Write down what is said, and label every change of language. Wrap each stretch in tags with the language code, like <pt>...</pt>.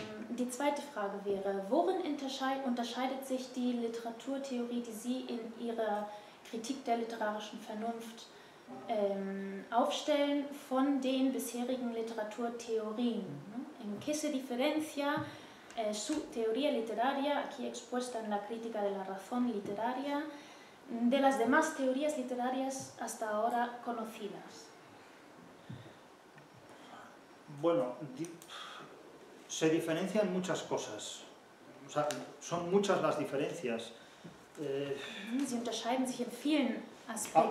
<de>Die zweite Frage wäre, worin unterscheidet sich die Literaturtheorie, die Sie in Ihrer Kritik der literarischen Vernunft aufstellen, von den bisherigen Literaturtheorien?</de> <es>¿En qué se diferencia su teoría literaria, aquí expuesta en la crítica de la razón literaria, de las demás teorías literarias hasta ahora conocidas? Bueno, se diferencian muchas cosas. O sea, son muchas las diferencias.</es> <de>Sie unterscheiden sich in vielen Aspekten.</de>